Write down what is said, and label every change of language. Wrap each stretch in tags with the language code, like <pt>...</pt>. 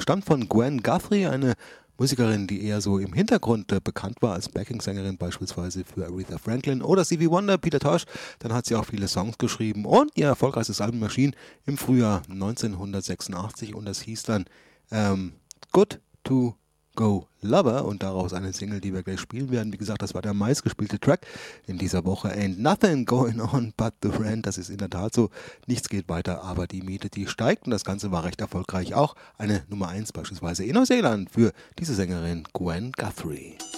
<de>Stammt von Gwen Guthrie, eine Musikerin, die eher so im Hintergrund bekannt war als Backing-Sängerin beispielsweise für Aretha Franklin oder Stevie Wonder, Peter Tosh. Dann hat sie auch viele Songs geschrieben und ihr erfolgreichstes Album erschien im Frühjahr 1986 und das hieß dann Good to Go Lover und daraus eine Single, die wir gleich spielen werden. Wie gesagt, das war der meistgespielte Track in dieser Woche.</de> <en>Ain't nothing going on but the rent.</en> <de>Das ist in der Tat so. Nichts geht weiter, aber die Miete, die steigt. Und das Ganze war recht erfolgreich. Auch eine Nummer 1 beispielsweise in Neuseeland für diese Sängerin Gwen Guthrie.</de>